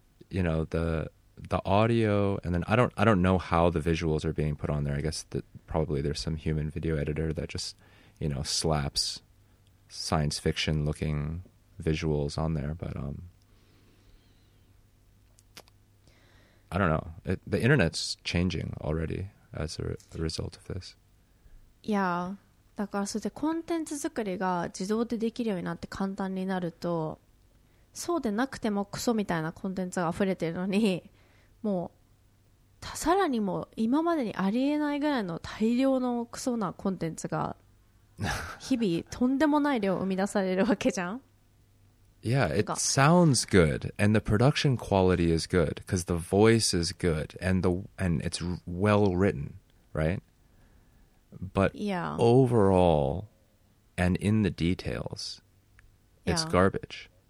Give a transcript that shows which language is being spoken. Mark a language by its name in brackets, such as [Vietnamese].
[English] you know, the audio, and then I don't know how the visuals are being put on there. I guess that probably there's some human video editor that just, you know, slaps science fiction looking visuals on there, but I don't know. The internet's changing already as a result of this. Yeah. [Japanese] だからそれでコンテンツ作りが自動でできるようになって簡単になると、そうでなくてもクソみたいなコンテンツが溢れてるのに、もうさらにも今までにありえないぐらいの大量のクソなコンテンツが日々とんでもない量生み出されるわけじゃん。 [English] Yeah, it sounds good, and the production quality is good because the voice is good and it's well written, right? But yeah. Overall, and in the details, it's yeah. garbage.